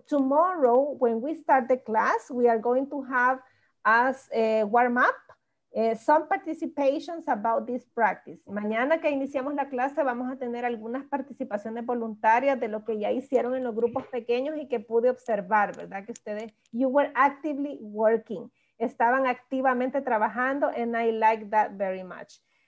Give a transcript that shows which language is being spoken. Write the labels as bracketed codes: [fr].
[en] Tomorrow, when we start the class, we are going to have us warm up some participations about this practice. [es] Mañana que iniciamos la clase vamos a tener algunas participaciones voluntarias de lo que ya hicieron en los grupos pequeños y que pude observar, ¿verdad? Que ustedes, [en] you were actively working, [es] estaban activamente trabajando, [en] and I like that very much.